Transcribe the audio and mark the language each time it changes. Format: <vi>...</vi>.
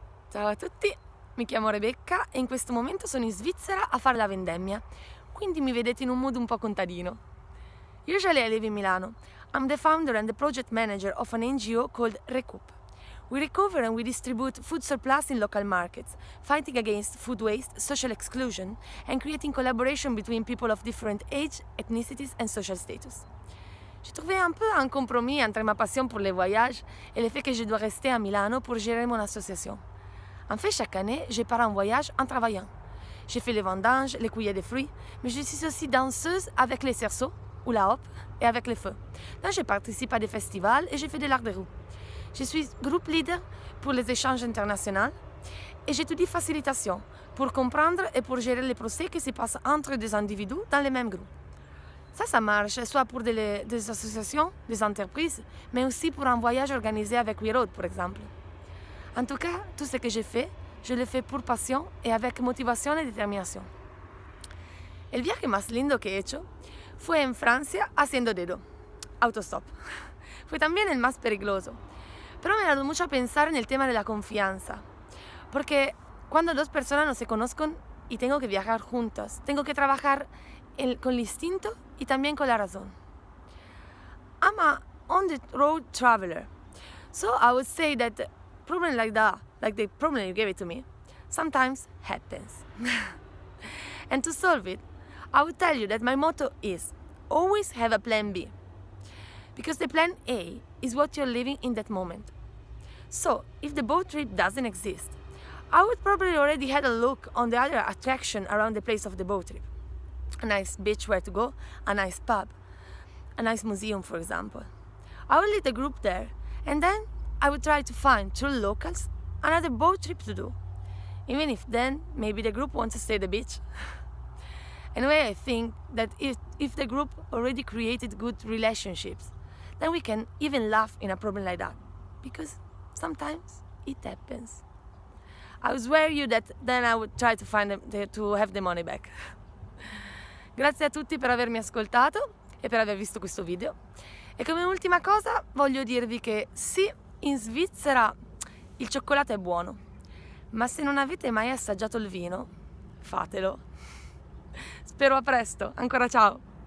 <it>Ciao a tutti, mi chiamo Rebecca e in questo momento sono in Svizzera a fare la vendemmia, quindi mi vedete in un modo un po' contadino.</it> <en>Usually I live in Milano. I'm the founder and the project manager of an NGO called Recoup. We recover and we distribute food surplus in local markets, fighting against food waste, social exclusion and creating collaboration between people of different age, ethnicities and social status.</en> <fr>Je trouvais un peu un compromis entre ma passion pour les voyages et le fait que je dois rester à Milano pour gérer mon association. En fait, chaque année, je pars en voyage en travaillant. J'ai fait les vendanges, les cueillettes de fruits, mais je suis aussi danseuse avec les cerceaux, ou la hop, et avec les feux. Là, je participe à des festivals et je fais de l'art de roue. Je suis group leader pour les échanges internationaux et j'étudie facilitation pour comprendre et pour gérer les procès qui se passent entre des individus dans les mêmes groupes. Ça marche soit pour des associations, des entreprises, mais aussi pour un voyage organisé avec WeRoad, par exemple. En tout cas, tout ce que j'ai fait, je le fais pour passion et avec motivation et détermination.</fr> <es>El viaje más lindo que he hecho fue en Francia haciendo dedo, autostop. Fue también el más peligroso. Pero me ha dado mucho a pensar en el tema de la confianza. Porque cuando dos personas no se conocen y tengo que viajar juntas, tengo que trabajar con el instinto y también con la razón.</es> <en>I'm a on the road traveler. So I would say that problem like that, like the problem you gave it to me, sometimes happens. And to solve it, I would tell you that my motto is always have a plan B. Because the plan A is what you're living in that moment. So if the boat trip doesn't exist, I would probably already had a look on the other attraction around the place of the boat trip. A nice beach where to go, a nice pub, a nice museum, for example. I would lead the group there and then I would try to find, through locals, another boat trip to do. Even if then, maybe the group wants to stay at the beach. Anyway, I think that if the group already created good relationships, then we can even laugh in a problem like that. Because sometimes it happens. I swear you that then I would try to find to have the money back.</en> <it>Grazie a tutti per avermi ascoltato e per aver visto questo video. E come ultima cosa, voglio dirvi che sì, in Svizzera il cioccolato è buono, ma se non avete mai assaggiato il vino, fatelo. Spero a presto, ancora ciao!</it>